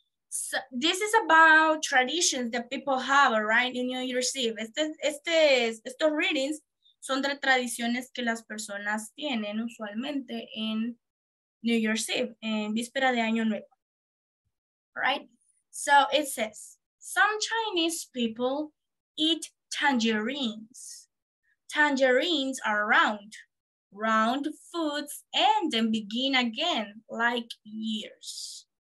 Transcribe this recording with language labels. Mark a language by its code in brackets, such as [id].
[en] So this is about traditions that people have, right, in New Year's Eve. [es] Estos readings son de tradiciones que las personas tienen usualmente en New Year's Eve, en víspera de Año Nuevo. [en] Right? So it says, some Chinese people eat tangerines. Tangerines are round. Round foods end and begin again, like years.